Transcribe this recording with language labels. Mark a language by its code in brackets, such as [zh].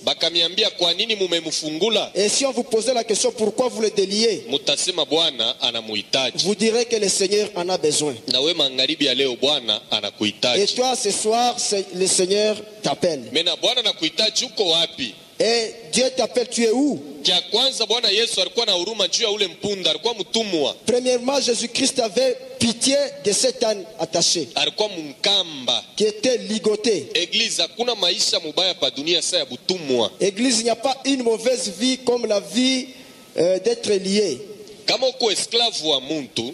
[sw] Bakamiambia kwa nini mumemfungula? [fr] Et si on vous posait la question pourquoi vous le déliez? [sw] Mutasema Bwana anamuhitaji. [fr] Vous direz que le Seigneur en a besoin. [sw] Na wewe mangaribi ya leo Bwana anakuhitaji. [fr] Et toi ce soir le Seigneur t'appelle. [sw] Mena Bwana anakuhitaji uko wapi? [fr] Eh Dieu t'appelle, tu es où? [sw] Kia kwanza Bwana Yesu alikuwa na huruma juu ya ule mpunda, alikuwa mtumwa. [fr] Premièrement Jésus-Christ avait pitié de cet âne attaché. [sw] Alikuwa mkamba. [fr] Qui était ligoté. [sw] Église, hakuna maisha mubaya pa dunia sa ya butumwa. [fr] Église, il n'y a pas une mauvaise vie comme la vie d'être lié. [sw] Kama uko esclave wa mtu,